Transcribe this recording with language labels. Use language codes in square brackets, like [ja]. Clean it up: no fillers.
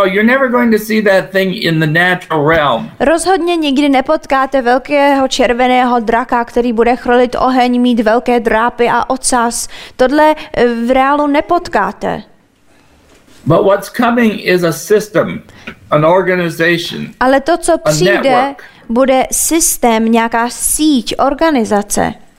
[en] No, you're never going to see that thing in the natural realm. [cs] Rozhodně nikdy nepotkáte velkého červeného draka, který bude chrlit oheň, mít velké drápy a ocas. Tohle v reálu nepotkáte. [en] But what's coming is a system, an organization. [cs] Ale to, co přijde, bude systém, nějaká síť, organizace.